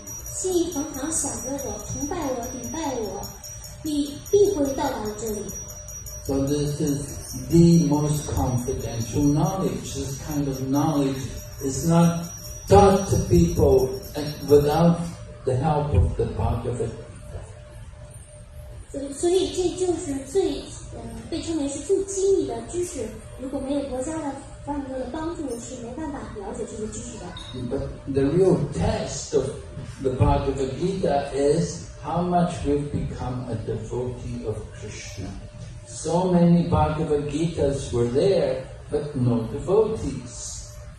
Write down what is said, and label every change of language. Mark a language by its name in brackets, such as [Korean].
[Chinese] 心意恒常想着我，崇拜我，顶拜我，你必会到达这里。 [English] So this is the most confidential knowledge. This kind of knowledge is not taught to people without the help of the Bhagavad. [Chinese] 所以这就是被称为是最精密的知识，如果没有国家的范德的帮助，是没办法了解这个知识的。 [English] But the real test of the Bhagavad Gita is how much we've become a devotee of Krishna. So many Bhagavad Gitas were there, but no devotees.